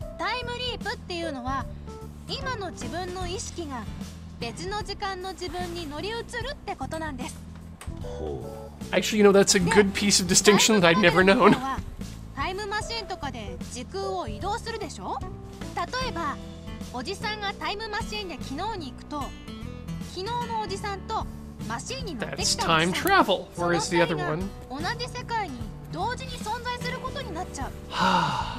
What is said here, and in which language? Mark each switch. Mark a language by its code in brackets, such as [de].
[ja] Time leap っていうのは今の自分の意識が別の時間の自分に乗り移るってことなんです。 [en] Actually, you know, that's a good piece of distinction that I'd never known. [ja] タイムマシンとかで時空を移動するでしょ？例えば、おじさんがタイムマシンで昨日に行くと、昨日のおじさんとマシンに乗ってきたおじさん。 [en] That's time travel. Where is the other one? [ja] 同じ世界に同時に存在することになっちゃう。